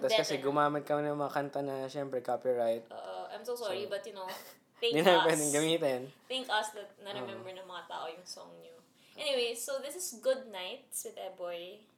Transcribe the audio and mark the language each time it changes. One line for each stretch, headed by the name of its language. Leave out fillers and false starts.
Filipino: Tas kasi gumamit kami ng mga kanta na syempre copyright.
English: I'm so sorry so, but you know, thank us.
Filipino: Hindi namin pwedeng gamitin.
English: Thank us that
Filipino: na-remember ng mga tao yung song niyo.
English: Anyway, so this is Good Nights with Eboy.